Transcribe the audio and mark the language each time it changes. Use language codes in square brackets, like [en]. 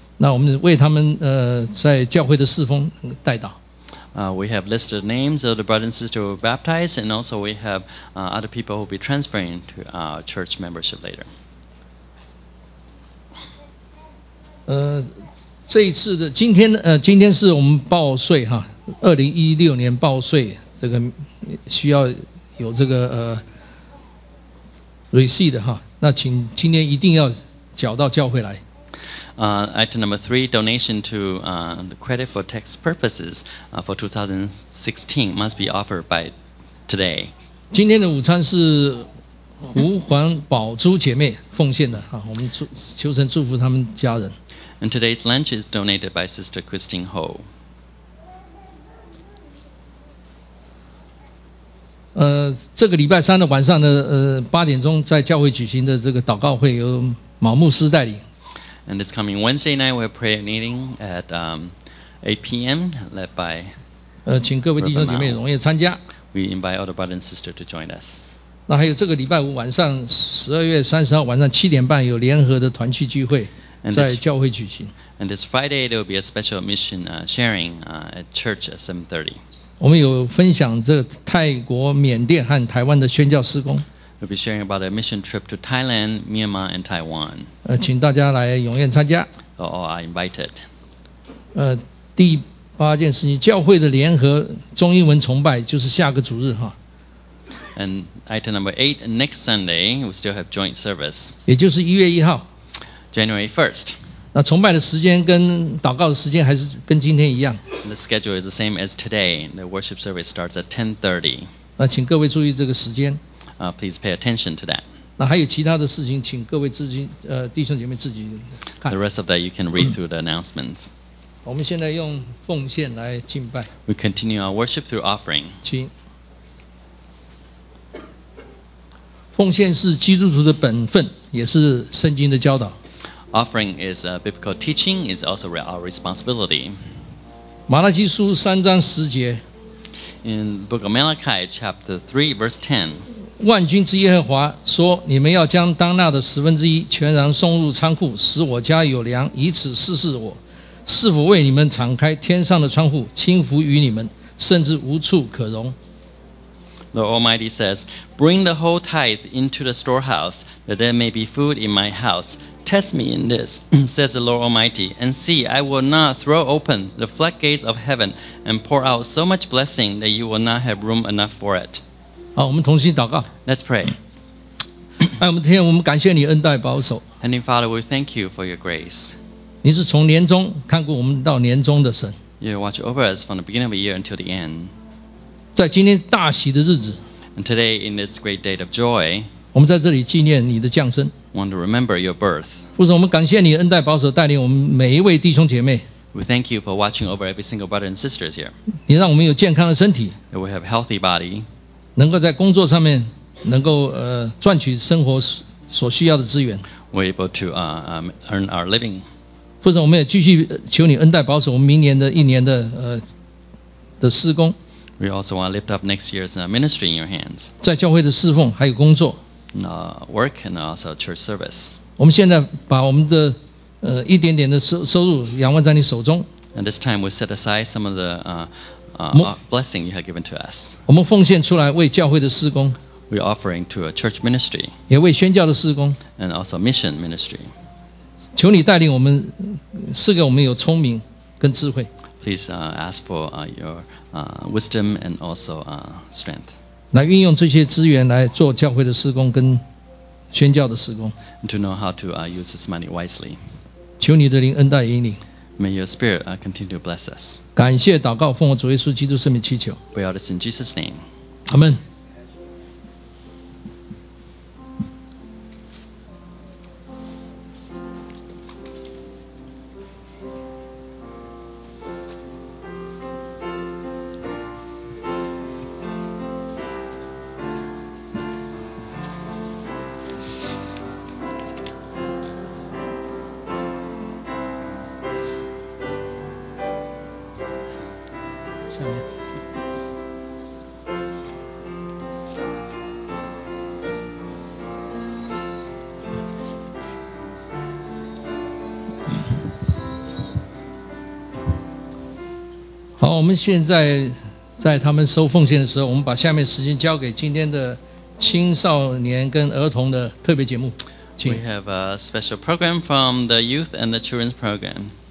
[zh] 那我们为他们在教会的侍奉代祷。 [en] We have listed names of the brothers and sisters who were baptized, and also we have other people who will be transferring to our church membership later. [zh] 这一次的今天是我们报税哈，2016年报税，这个需要有这个receipt 哈，那请今天一定要缴到教会来。 [en] Item number 3, donation to the credit for tax purposes for 2016 must be offered by today. [zh] 今天的午餐是胡环宝珠姐妹奉献的，我们求神祝福他们家人。 [en] And today's lunch is donated by Sister Christine Ho. [zh] 这个礼拜三的晚上的八点钟在教会举行的这个祷告会由毛牧师带领。 [en] And this coming Wednesday night, we'll pray a meeting at 8 p.m. led by [zh] 请各位弟兄姐妹踊跃参加。 [en] We invite all the brothers and sisters to join us. [zh] 那还有这个礼拜五晚上12月30号晚上7点半有联合的团契聚会在教会举行。 [en] And this Friday there will be a special mission sharing at church at 7:30. [zh] 我们有分享这泰国、缅甸和台湾的宣教事工。 [en] We'll be sharing about a mission trip to Thailand, Myanmar, and Taiwan. [zh] 请大家来踊跃参加。 [en] All are invited. [zh] 第八件事情，教会的联合中英文崇拜就是下个主日哈。 [en] And item number 8, next Sunday, we still have joint service. [zh] 也就是1月1号。 [en] January 1st. [zh] 那崇拜的时间跟祷告的时间还是跟今天一样。 [en] And the schedule is the same as today. The worship service starts at 10:30. [zh] 请各位注意这个时间。 [en] Please pay attention to that. [zh] 那还有其他的事情，请各位自己弟兄姐妹自己看。 [en] The rest of that you can read through the announcements. [zh] 我们现在用奉献来敬拜。 [en] We continue our worship through offering. [zh] 请。奉献是基督徒的本分，也是圣经的教导。 [en] Offering is a biblical teaching, is also our responsibility. [zh] 马拉基书三章十节。 [en] In the book of Malachi, chapter 3, verse 10. [zh] 万军之耶和华说：“你们要将当纳的十分之一全然送入仓库，使我家有粮，以此试试我是否为你们敞开天上的窗户，倾福于你们，甚至无处可容。” [en] The Almighty says, "Bring the whole tithe into the storehouse, that there may be food in my house. Test me in this," says the Lord Almighty, "and see, I will not throw open the floodgates of heaven and pour out so much blessing that you will not have room enough for it." [zh] 好，我们同心祷告。 [en] Let's pray. [zh] 爱我们的天，我们感谢你恩待保守。 [en] Heavenly Father, we thank you for your grace. [zh] 你是从年终看顾我们到年终的神。 [en] You watch over us from the beginning of the year until the end. [zh] 在今天大喜的日子。 [en] And today, in this great day of joy, [zh] 我们在这里纪念你的降生。 [en] Want to remember your birth. [zh] 父神，我们感谢你恩待保守带领我们每一位弟兄姐妹。 [en] We thank you for watching over every single brother and sisters here. [zh] 你让我们有健康的身体。 [en] That we have a healthy body. [zh] 能够在工作上面能够赚取生活所需要的资源。 [en] We're able to earn our living. [zh] 或者我们也继续求你恩待保守我们明年的一年的施工。 [en] We also want to lift up next year's ministry in your hands. [zh] 在教会的侍奉还有工作。 [en] Work and also church service. [zh] 我们现在把我们的一点点的收入仰望在你手中。 [en] And this time we set aside some of the blessing you have given to us. [zh] 我们奉献出来为教会的事工。 [en] We're offering to a church ministry. [zh] 也为宣教的事工。 [en] And also mission ministry. [zh] 求你带领我们，赐给我们有聪明跟智慧。 [en] Please ask for your wisdom and also strength. [zh] 来运用这些资源来做教会的事工跟宣教的事工。 [en] And to know how to use this money wisely. [zh] 求你的灵恩待引领。 [en] May your spirit continue to bless us. [zh] 感谢祷告奉我主耶稣基督圣名祈求。 [en] We ask this in Jesus' name. Amen. [zh] 好，我们现在在他们收奉献的时候，我们把下面时间交给今天的青少年跟儿童的特别节目。请。 [en] We have a special program from the youth and the children's program.